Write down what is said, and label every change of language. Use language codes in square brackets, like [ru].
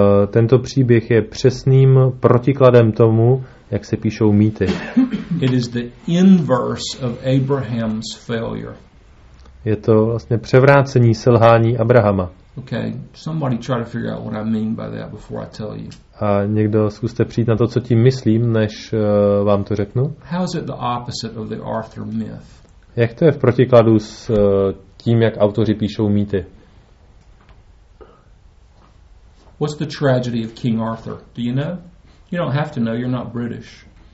[cs] Tento příběh je přesným protikladem tomu, jak se píšou mýty. [en] It is the inverse of Abraham's failure. [cs] Je to vlastně převrácení selhání Abrahama. [en] Okay, somebody try to figure out what I mean by that before I tell you. [cs] A někdo zkuste přijít na to, co tím myslím, než vám to řeknu. [en] How is it the opposite of the Arthur myth? [cs] Jak to je v protikladu s tím, jak autoři píšou mýty? [en] What's the tragedy of King Arthur? Do you know? You don't have to know, you're not British.